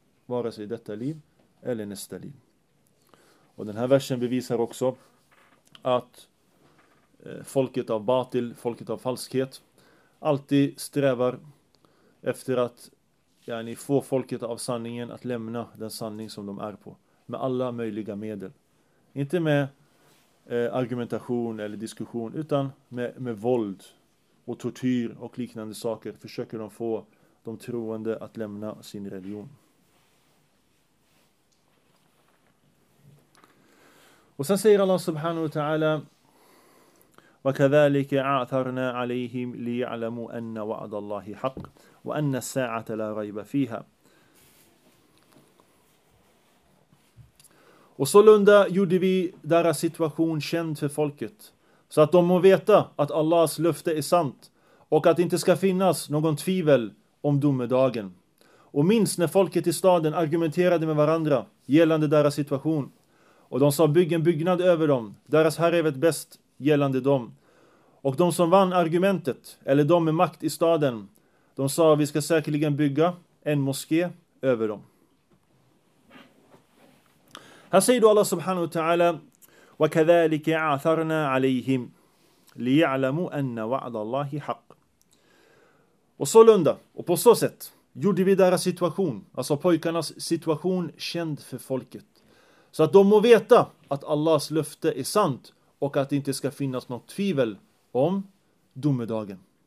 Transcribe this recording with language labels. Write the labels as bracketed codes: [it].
[sv] Vare sig i detta liv eller nästa liv. Och den här versen bevisar också att folket av batil, folket av falskhet, alltid strävar efter att få folket av sanningen att lämna den sanning som de är på. Med alla möjliga medel. Inte med argumentation eller diskussion, utan med våld. Och tortyr och liknande saker försöker de få de troende att lämna sin religion. Och sen säger Allah subhanahu wa ta'ala [ar] وَكَذَلِكَ عَثَرْنَا عَلَيْهِمْ لِيَعْلَمُوا أَنَّ وَعَدَ اللَّهِ حَقٍ وَأَنَّ السَّاعَةَ لَا رَيْبَ فِيهَا. [sv] Och sålunda gjorde vi deras situation känd för folket. Så att de må veta att Allahs löfte är sant och att det inte ska finnas någon tvivel om domedagen. Och minst när folket i staden argumenterade med varandra gällande deras situation. Och de sa bygg en byggnad över dem, deras herre vet bäst gällande dem. Och de som vann argumentet, eller de med makt i staden, de sa vi ska säkerligen bygga en moské över dem. Här säger då Allah subhanahu wa ta'ala [ar] وَكَذَلِكَ عَثَرْنَا عَلَيْهِمْ لِيَعْلَمُوا أَنَّ وَعْدَ اللَّهِ حَقٍّ. [sv] Och sålunda, och på så sätt, gjorde vi deras situation, alltså pojkarnas situation, känd för folket. Så att de må veta att Allahs löfte är sant och att det inte ska finnas något tvivel om domedagen.